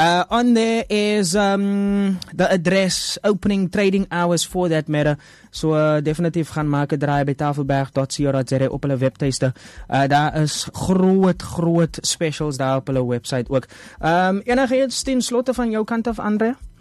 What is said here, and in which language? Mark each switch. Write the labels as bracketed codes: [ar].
[en] On there is the address, opening trading hours for that matter. [af] So definitief gaan maak 'n draai by tafelberg.co.za op hulle webtuiste. Daar is groot specials daar op hulle website ook. Enige iets ten slotte van jou kant af, Andrea?